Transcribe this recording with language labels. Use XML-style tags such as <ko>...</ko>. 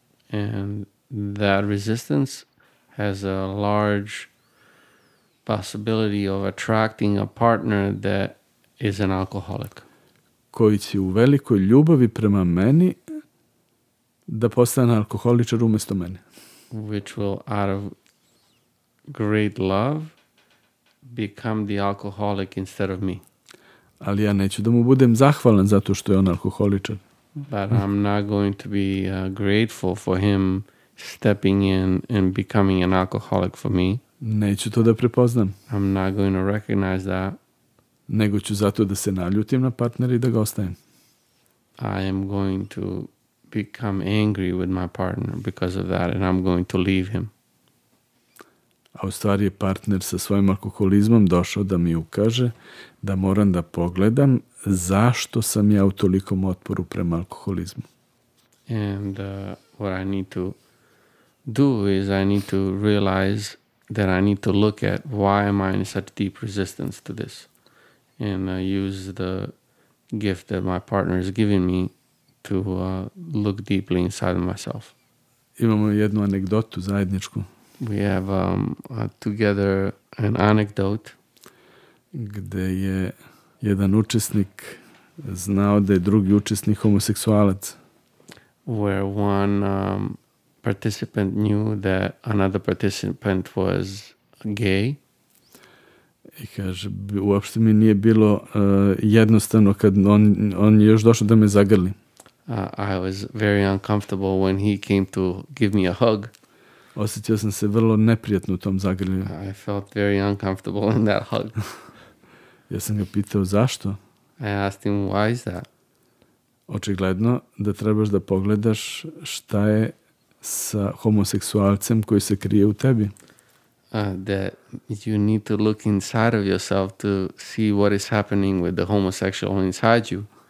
<en>And that resistance has a large possibility of attracting a partner that is an alcoholic.</en> <sr>Koji će u velikoj ljubavi prema meni da postane alkoholičar umjesto mene.</sr> <en>Which will, out of great love, become the alcoholic instead of me.</en> <sr>Ali ja neću da mu budem zahvalan zato što je on alkoholičar.</sr> <en>But I'm not going to be grateful for him stepping in and becoming an alcoholic for me.</en> <sr>Neću to da prepoznam.</sr> <en>I'm not going to recognize that.</en> <sr>Nego ću zato da se naljutim na partnera i da ga ostavim.</sr> <en>I am going to become angry with my partner because of that and I'm going to leave him.</en> <sr>A u stvari je partner sa svojim alkoholizmom došao da mi ukaže da moram da pogledam zašto sam ja u tolikom otporu prema alkoholizmu.</sr> <en>And what I need to do is I need to realize that I need to look at why am I in such deep resistance to this and use the gift that my partner is giving me to look deeply inside of myself.</en> <sr>Imamo jednu anegdotu zajedničku.</sr> <en>We have together an anecdote.</en> <sr>Gde je jedan učesnik znao da je drugi učesnik homoseksualac.</sr> <en>Where one participant knew that another participant was gay.</en> <sr>I kaže, uopšte mi nije bilo jednostavno kad on je još došao da me zagrli.</sr> <en>I was very uncomfortable when he came to give me a hug.</en> <sr>Osjetio sam se vrlo neprijatno u tom zagrljenju.</sr> <en>I felt very uncomfortable in that hug.</en> <sr>Ja sam ga pitao zašto.</sr> <en>I asked him, why is that?</en> <sr>Očigledno da trebaš da pogledaš šta je sa homoseksualcem koji se krije u tebi.</sr> <en>That you need to look inside of yourself to see what is happening with the homosexual inside you.</en>